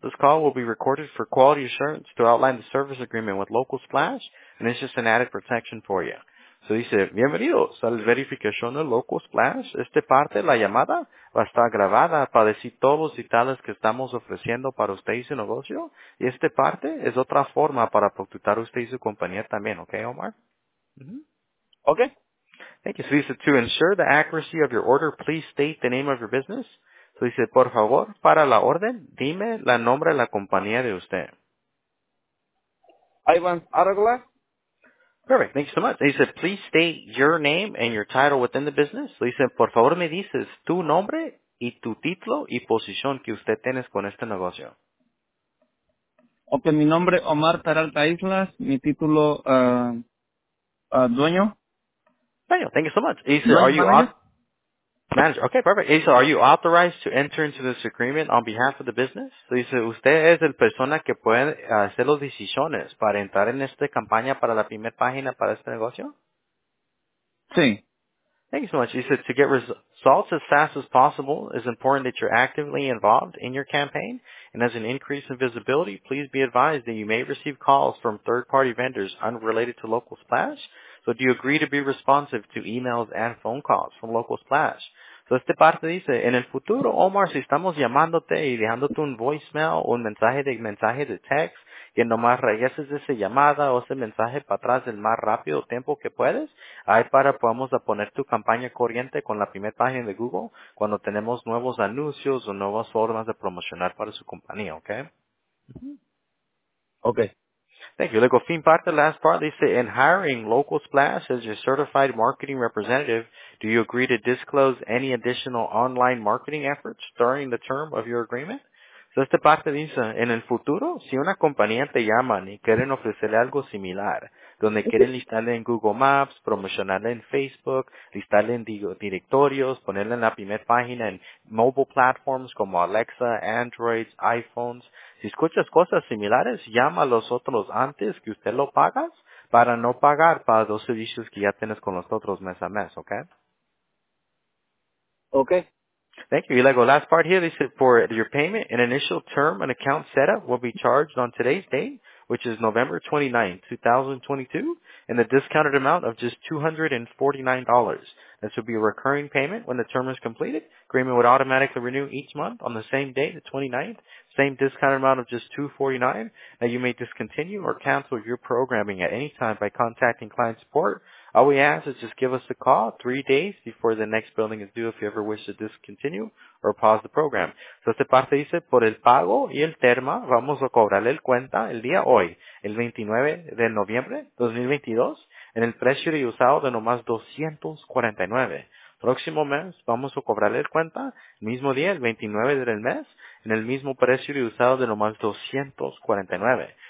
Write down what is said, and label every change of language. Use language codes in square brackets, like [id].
[en] This call will be recorded for quality assurance to outline the service agreement with Local Splash, and it's just an added protection for you. So he said, [es] bienvenidos a la verificación de Local Splash. Esta parte, la llamada, va a estar grabada para decir todos los detalles que estamos ofreciendo para usted y su negocio. Y esta parte es otra forma para protestar usted y su compañía también, ¿ok, Omar? [en] Mm-hmm. Okay. Thank you. So he said, to ensure the accuracy of your order, please state the name of your business. So he said, [es] por favor, para la orden, dime la nombre de la compañía de usted. Ivan Aragla. [en] Perfect. Thank you so much. He said, please state your name and your title within the business. So he said, [es] por favor, me dices tu nombre y tu título y posición que usted tienes con este negocio. Okay, mi nombre es Omar Taralta Islas. Mi título, dueño. [en] Daniel, thank you so much. He said, are you manager. Okay, perfect. Isa, are you authorized to enter into this agreement on behalf of the business? So he said, [es] usted es el persona que puede hacer las decisiones para entrar en esta campaña para la primer página para este negocio? Sí. [en] Thank you so much. He said, to get results as fast as possible, it's important that you're actively involved in your campaign. And as an increase in visibility, please be advised that you may receive calls from third-party vendors unrelated to Local Splash. So do you agree to be responsive to emails and phone calls from Local Splash? [es] So este parte dice, en el futuro, Omar, si estamos llamándote y dejándote un voicemail o un mensaje de text, que nomás regreses esa llamada o ese mensaje para atrás el más rápido tiempo que puedes, ahí para podamos poner tu campaña corriente con la primera página de Google cuando tenemos nuevos anuncios o nuevas formas de promocionar para su compañía, ¿ok? Ok. [en] Thank you. [es] Luego, fin parte, [en] last part, they say, in hiring Local Splash as your certified marketing representative, do you agree to disclose any additional online marketing efforts during the term of your agreement? [es] So, esta parte dice, en el futuro, si una compañía te llama y quieren ofrecerle algo similar, donde quieren listarle en Google Maps, promocionarle en Facebook, listarle en directorios, ponerle en la primera página en mobile platforms como Alexa, Androids, iPhones, si escuchas cosas similares, llama a los otros antes que usted lo pagas para no pagar para los servicios que ya tienes con los otros mes a mes, ¿ok? Ok. [en] Thank you. [es] Y luego, [en] last part here, they said, for your payment, an initial term and account setup will be charged on today's date, which is November 29, 2022, and the discounted amount of just $249. This will be a recurring payment when the term is completed. Agreement would automatically renew each month on the same date, the 29th, same discounted amount of just $249. Now, you may discontinue or cancel your programming at any time by contacting client support. All we ask is just give us a call 3 days before the next billing is due if you ever wish to discontinue or pause the program. [es] So, esta parte dice, por el pago y el termo, vamos a cobrarle el cuenta el día hoy, el 29 de noviembre 2022, en el precio de usado de nomás $249. Próximo mes, vamos a cobrarle el cuenta, mismo día, el 29 del mes, en el mismo precio de usado de nomás $249.